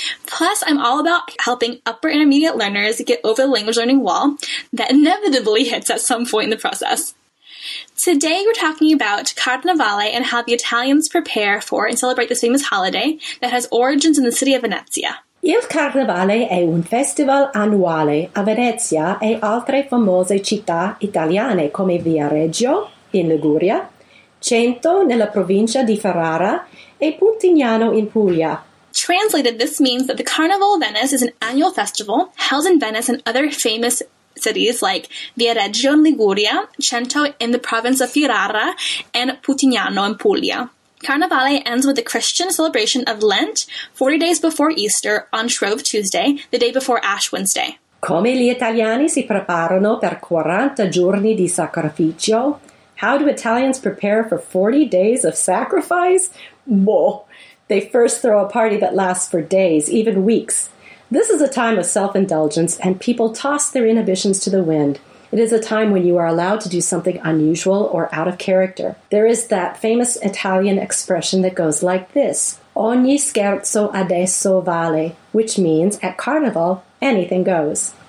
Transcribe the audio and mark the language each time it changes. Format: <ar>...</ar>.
<en>Plus, I'm all about helping upper intermediate learners get over the language learning wall that inevitably hits at some point in the process. Today we're talking about Carnevale and how the Italians prepare for and celebrate this famous holiday that has origins in the city of Venezia.</en> <it>Il Carnevale è un festival annuale a Venezia e altre famose città italiane come Viareggio in Liguria, Cento nella provincia di Ferrara e Puntignano in Puglia.</it> <en>Translated, this means that the Carnival of Venice is an annual festival held in Venice and other famous cities like Viareggio in Liguria, Cento in the province of Ferrara, and Puntignano in Puglia. Carnevale ends with the Christian celebration of Lent, 40 days before Easter, on Shrove Tuesday, the day before Ash Wednesday.</en> <it>Come gli italiani si preparano per 40 giorni di sacrificio?</it> <en>How do Italians prepare for 40 days of sacrifice? Boh! They first throw a party that lasts for days, even weeks. This is a time of self-indulgence, and people toss their inhibitions to the wind. It is a time when you are allowed to do something unusual or out of character. There is that famous Italian expression that goes like this,</en> <it>ogni scherzo adesso vale,</it> <en>which means, at Carnival, anything goes.</en>